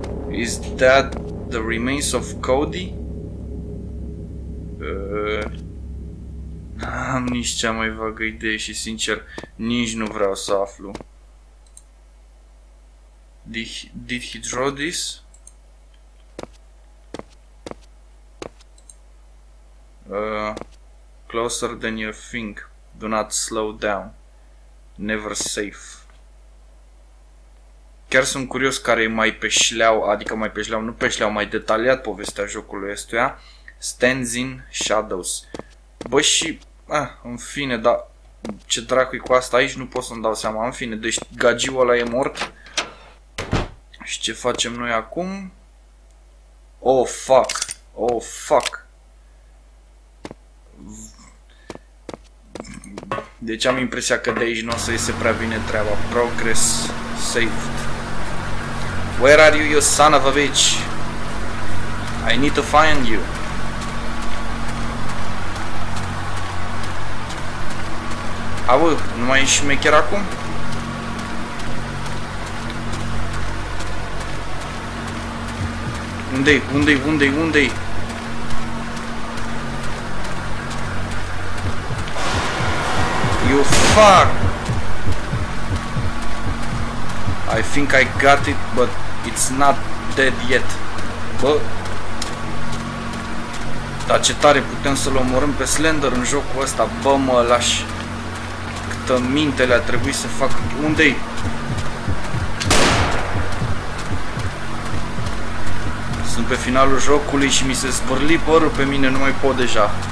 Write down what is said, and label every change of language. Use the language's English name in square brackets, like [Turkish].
[English] Is that the remains of Cody? [Romanian] N-am nici cea mai vagă idee și, sincer, nici nu vreau să aflu. [English] Did he draw this? Closer than you think. Do not slow down. Never safe. [Romanian] Chiar sunt curios care e mai pe șleau, adică mai pe șleau, nu pe șleau, mai detaliat povestea jocului ăstuia. [English] Stands in Shadows. [Romanian] Bă, și... în fine, dar... Ce dracu e cu asta aici? Nu pot să-mi dau seama. În fine, deci gagiul ăla e mort. Și ce facem noi acum? [English] Oh, fuck. [Romanian] Deci am impresia că de aici nu o să iese prea bine treaba. [English] Progress saved. Where are you, you son of a bitch? I need to find you. [Romanian] Aua, nu mai ești șmecher acum? Unde-i? [English] You fuck! I think I got it, but it's not dead yet. [Romanian] Bă! Dar ce tare putem să-l omorâm pe Slender în jocul ăsta, bă, mă, laș! Câtă minte le-a trebuit să fac... Unde-i? S-a sunt pe finalul jocului și mi se zbârli părul pe mine, nu mai pot deja.